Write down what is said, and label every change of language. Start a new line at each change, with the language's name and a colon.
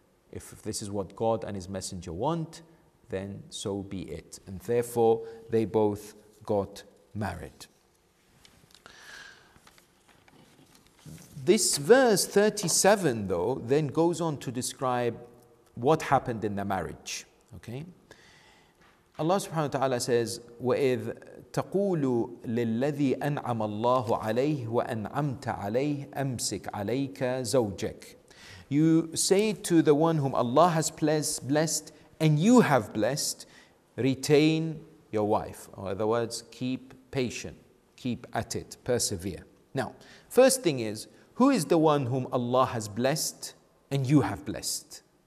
English: If this is what God and His Messenger want, then so be it. And therefore, they both got married. This verse 37, though, then goes on to describe what happened in the marriage. Okay? Allah subhanahu wa ta'ala says,
Arabic: وَإِذْ تَقُولُ لِلَّذِي أَنْعَمَ اللَّهُ عَلَيْهِ وَأَنْعَمْتَ عَلَيْهِ أَمْسِكْ عَلَيْكَ زَوْجَكَ.
English: You say to the one whom Allah has blessed and you have blessed, retain your wife. Or in other words, keep patient, keep at it, persevere. Now, first thing is, who is the one whom Allah has blessed and you have blessed?